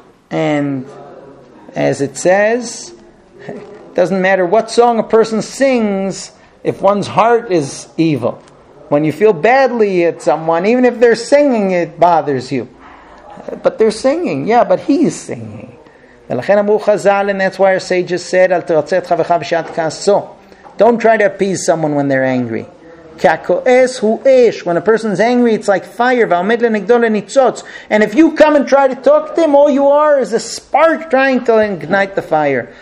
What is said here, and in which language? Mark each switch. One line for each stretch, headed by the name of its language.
English: And as it says, it doesn't matter what song a person sings if one's heart is evil. When you feel badly at someone, even if they're singing, it bothers you. But they're singing. Yeah, but he's singing.
Hebrew: ולכן אמרו חזל,
English: and that's why our sages said,
Hebrew: אל תרצה את חברך בשעת כעסו.
English: Don't try to appease someone when they're angry.
Hebrew: כי הכועס הוא אש.
English: When a person's angry, it's like fire.
Hebrew: ועומד לנגדו לניצוץ.
English: And if you come and try to talk to him, all you are is a spark trying to ignite the fire.